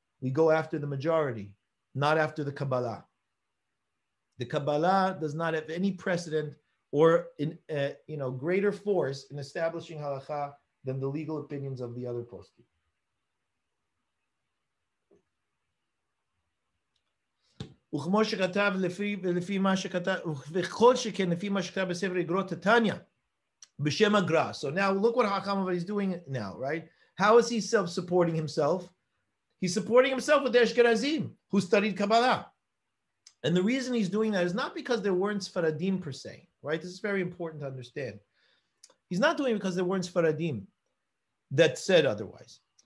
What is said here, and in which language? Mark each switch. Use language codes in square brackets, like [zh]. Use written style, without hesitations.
[en] We go after the majority, not after the Kabbalah. The Kabbalah does not have any precedent or greater force in establishing halakha than the legal opinions of the other poskim. [he] וכמו שכתב לפי מה שכתב, וכל שכן לפי מה שכתב בספר אגרות תניא, בשם הגרא. [en] So now look what Chacham Ovadia is doing now, right? How is he self-supporting himself? He's supporting himself with the Ashkenazim, who studied Kabbalah. And the reason he's doing that is not because there weren't Sephardim per se, right? This is very important to understand. He's not doing it because there weren't Sephardim that said otherwise.